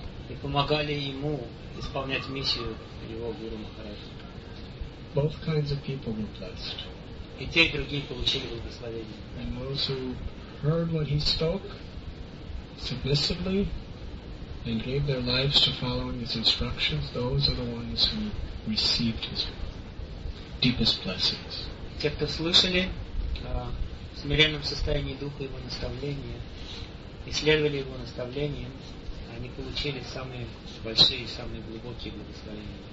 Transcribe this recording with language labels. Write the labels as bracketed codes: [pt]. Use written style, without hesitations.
[ru] И помогали ему исполнять миссию его гуру Махараджа. [en] Both kinds of people were blessed. [ru] И те, и другие получили благословение. [en] And those who heard what he spoke submissively and gave their lives to following his instructions, those are the ones who received his deepest blessings. [ru] Те, кто слушали в смиренном состоянии духа его наставления, исследовали его наставления, они получили самые большие и самые глубокие благословения.